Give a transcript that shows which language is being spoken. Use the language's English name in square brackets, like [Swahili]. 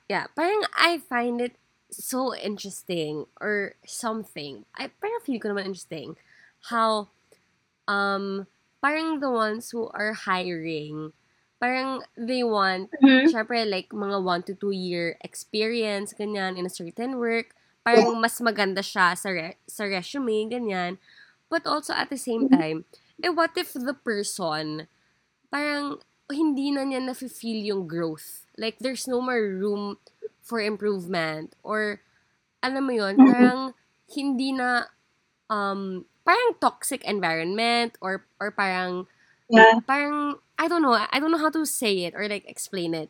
[English] Yeah. [Filipino] Parang [English] I find it so interesting or something. Parang feel [Filipino] ko naman [English] interesting how parang the ones who are hiring, parang they want, [Filipino] syempre [English] like mga 1 to 2 year experience, [Filipino] ganyan, [English] in a certain work. [Filipino] Parang mas maganda siya sa resume, ganyan. [English] But also at the same time, what if the person, [Filipino] parang hindi na niya na-feel yung growth. [English] Like, there's no more room for improvement. Or, [Filipino] alam mo yun, parang hindi na, parang [English] toxic environment or parang, parang, I don't know how to say it or like explain it.